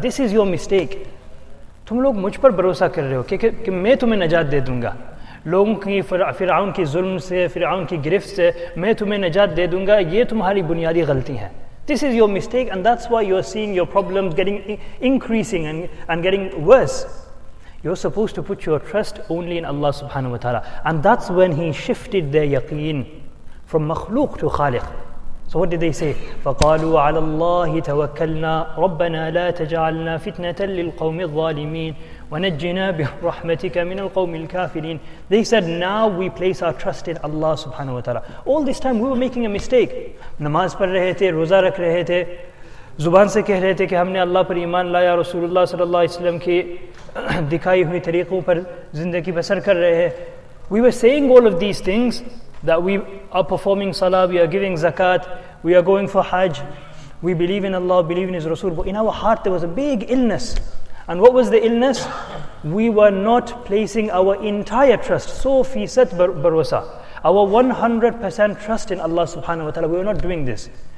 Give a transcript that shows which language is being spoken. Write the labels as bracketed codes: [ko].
[en] This is your mistake. [ur] تم لوگ مجھ پر بھروسہ کر رہے ہو کہ میں تمہیں نجات دے دوں گا. لوگوں کی فرعون کی ظلم سے، فرعون کی گرفت سے میں تمہیں نجات دے دوں گا، یہ تمہاری بنیادی غلطی ہے. [en] This is your mistake and that's why you are seeing your problems getting increasing and getting worse. You're supposed to put your trust only in Allah subhanahu wa ta'ala. And that's when he shifted their yaqeen from makhluq to khaliq. So what did they say? [ar] فَقَالُوا عَلَى اللَّهِ تَوَكَّلْنَا رَبَّنَا لَا تَجَعَلْنَا فِتْنَةً لِلْقَوْمِ الظَّالِمِينَ وَنَجِّنَا بِرَحْمَتِكَ مِنَ الْقَوْمِ الْكَافِرِينَ. [en] They said, now we place our trust in Allah subhanahu wa ta'ala. All this time we were making a mistake. [ur] نماز پر رہے تھے، روزہ رکھ رہے تھے، زبان سے کہہ رہے تھے کہ ہم نے اللہ پر ایمان لایا، رسول اللہ صلی اللہ علیہ وسلم کی دکھائی ہوئی طریقوں پر زندگی بسر کر رہے ہیں. [en] We were saying all of these things, that we are performing salah, we are giving zakat, we are going for hajj, we believe in Allah, believe in His Rasul. But in our heart there was a big illness. And what was the illness? We were not placing our entire trust, so fi sat barwasa, our 100% trust in Allah subhanahu wa ta'ala. We were not doing this.